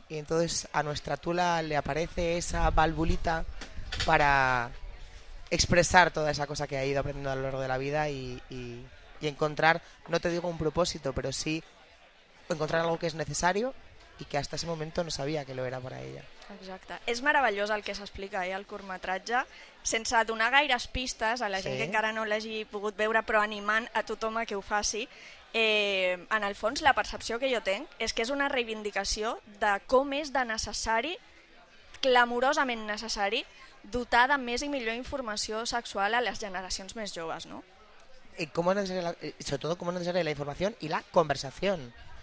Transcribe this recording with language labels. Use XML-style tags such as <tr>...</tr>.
<es>Y entonces a nuestra Tula le aparece esa valvulita para expresar toda esa cosa que ha ido aprendiendo a lo largo de la vida y encontrar, no te digo un propósito, pero sí encontrar algo que es necesario y que hasta ese momento no sabía que lo era para ella.</es> <ca>Exacte. És meravellós el que s'explica al curtmetratge, sense donar gaires pistes a la gent que encara no l'hagi pogut veure, però animant a tothom a que ho faci. En el fons, la percepció que jo tinc és que és una reivindicació de com és de necessari, clamorosament necessari, dotar de més i millor informació sexual a les generacions més joves, no?</ca> <es>¿Cómo es necesaria la información y la conversación?</es>